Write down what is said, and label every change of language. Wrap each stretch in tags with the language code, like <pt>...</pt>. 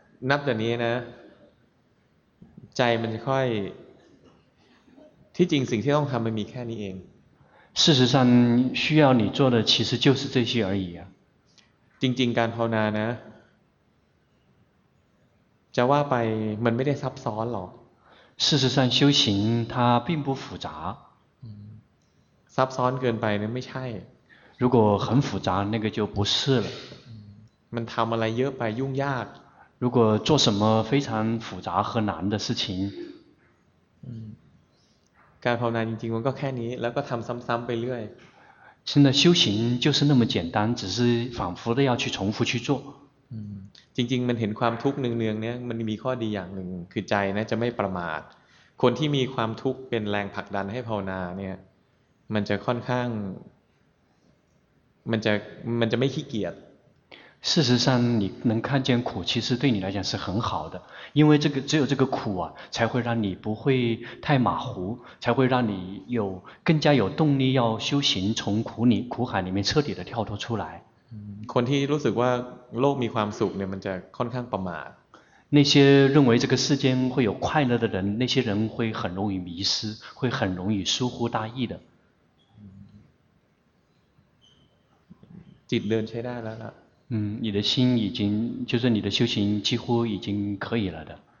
<th>นับแต่นี้นะใจมันจะค่อยที่จริงสิ่งที่ต้องทำมันมีแค่นี้เอง</th> <zh>事实上需要你做的其实就是这些而已啊</zh> <th>จริงๆการภาวนานะจะว่าไปมันไม่ได้ซับซ้อนหรอก</th> <zh>事实上修行它并不复杂</zh> <th>ซับซ้อนเกินไปนั้นไม่ใช่</th> <zh>如果很复杂那个就不是了</zh> <th>มันทำอะไรเยอะไปยุ่งยาก</th> <zh>如果做什么非常复杂和难的事情</zh> <th>การภาวนาจริงๆมันก็แค่นี้แล้วก็ทำซ้ำๆไปเรื่อย</th> <zh>真的修行就是那么简单只是反复的要去重复去做</zh> <th>จริงๆมันเห็นความทุกข์เนืองๆเนี่ยมันมีข้อดีอย่างหนึ่งคือใจนะจะไม่ประมาทคนที่มีความทุกข์เป็นแรงผลักดันให้ภาวนาเนี่ยมันจะค่อนข้างมันจะไม่ขี้เกียจ</th> <zh>事实上你能看见苦其实对你来讲是很好的因为这个只有这个苦啊才会让你不会太马虎才会让你有更加有动力要修行从苦海里面彻底的跳脱出来</zh> <th>คนที่รู้สึกว่าโลกมีความสุขเนี่ยมันจะค่อนข้างประมาท</th> <zh>那些认为这个世间会有快乐的人那些人会很容易迷失会很容易疏忽大意的</zh> <th>จิตเดินใช้ได้แล้วล่ะ</th> <zh>你的心已经就是你的修行几乎已经可以了的</zh>